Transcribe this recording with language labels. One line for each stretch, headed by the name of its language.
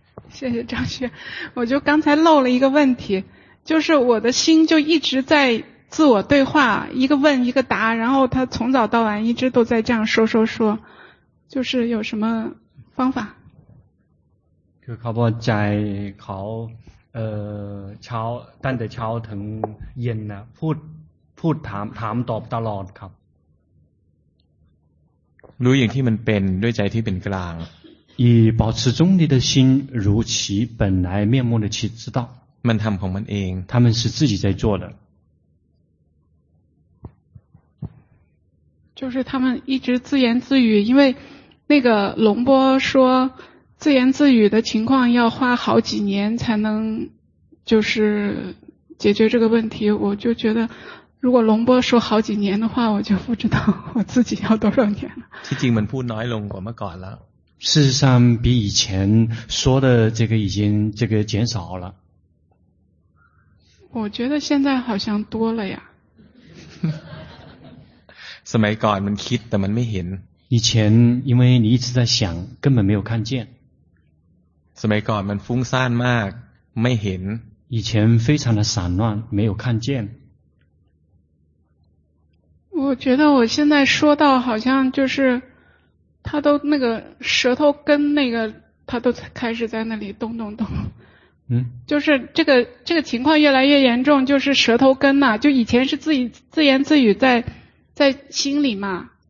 Chinese: 谢谢张雪我就刚才漏了一个问题就是我的心就一直在自我对话一个问一个答然后他从早到晚一直都在这样说就是有什么方法
Thai: คือเขาบอกใจเขาเช้าตั้งแต่เช้าถึงเย็นนะพูดถามตอบตลอดครับ รู้อย่างที่มันเป็นด้วยใจที่เป็นกลาง
Chinese: 以保持中立的心如其本来面目的去知道
Thai: มันทำของมันเอง
Chinese: 他们是自己在做的就是他们一直自言自语因为那个龙波说自言自语的情况要花好几年才能就是解决这个问题我就觉得如果龙波说好几年的话我就不知道我自己要多少年了
Thai: ที่จริงมันพูดน้อยลงกว่าเมื่อก่อนแล้ว
Chinese: 事实上比以前说的这个已经这个减少了我觉得现在好像多了呀
Thai: สมัยก่อนมันคิดแต่มันไม่เห็น
Chinese: 以前因为你一直在想根本没有看见
Thai: สมัยก่อนมันฟุ้งซ่านมากไม่เห็น
Chinese: 以前非常的散乱没有看见我觉得我现在说到好像就是他都那个舌头跟那个他都开始在那里动动动嗯就是这个情况越来越严重就是舌头跟啊就以前是自己自言自语在心里嘛